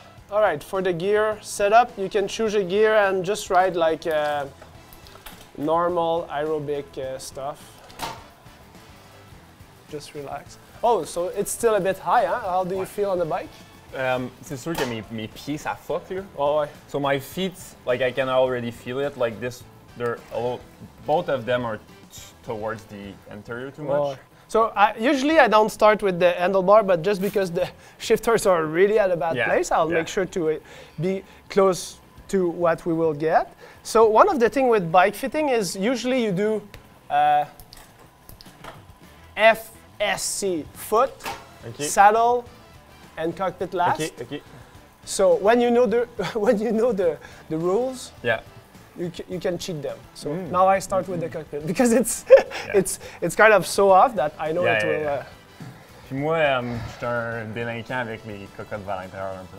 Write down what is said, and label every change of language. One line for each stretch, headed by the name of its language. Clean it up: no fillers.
English: All right, for the gear setup, you can choose a gear and just ride like normal aerobic stuff. Just relax. Oh, so it's still a bit high, huh? How do you feel on the bike?
French: C'est sûr que mes pieds, ça
English: fuck here.
French: Oh, ouais.
English: So my feet, like I can already feel it, like this, they're both of them are towards the anterior too much.
French: Oh, ouais.
English: So usually I don't start with the handlebar, but just because the shifters are really at a bad place, I'll make sure to be close to what we will get. So one of the thing with bike fitting is usually you do FSC, foot, saddle, and cockpit last. Okay, okay. So when you know the when you know the rules, yeah, you can cheat them. So now I start with the cockpit because it's it's kind of so off that I know
French: Puis moi, je suis un délinquant avec les cocottes à l'intérieur un peu.